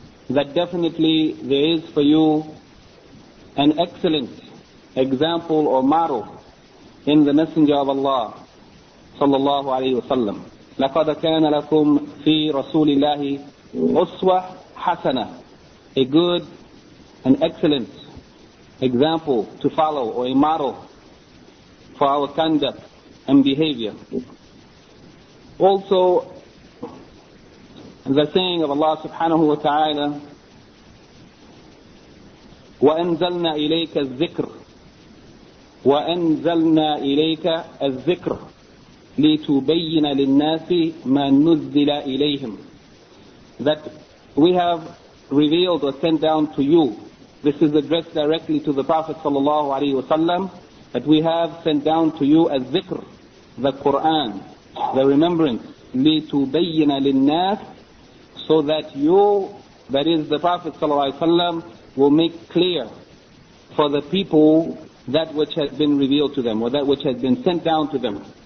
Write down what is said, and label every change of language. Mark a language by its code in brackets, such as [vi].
[en] that definitely there is for you an excellent example or model in the Messenger of Allah sallallahu alayhi wa sallam. [ar] لَقَدْ كَانَ لَكُمْ فِي رَسُولِ اللَّهِ أُسْوَةٌ [en] Hasana, a good and excellent example to follow, or a model for our conduct and behavior. Also, the saying of Allah subhanahu wa ta'ala, [ar] وَأَنْزَلْنَا إِلَيْكَ الذِّكْرِ وَأَنْزَلْنَا إِلَيْكَ الذِّكْرِ لِتُبَيِّنَ لِلنَّاسِ مَا نُزِّلَ إِلَيْهِمْ, [en] that we have revealed or sent down to you. This is addressed directly to the Prophet sallallahu alaihi wasallam, that we have sent down to you as dhikr, the Quran, the remembrance, [ar] لِتُبَيِّنَ لِلنَّاسِ, [en] so that you, that is the Prophet sallallahu alaihi wasallam, will make clear for the people that which has been revealed to them, or that which has been sent down to them.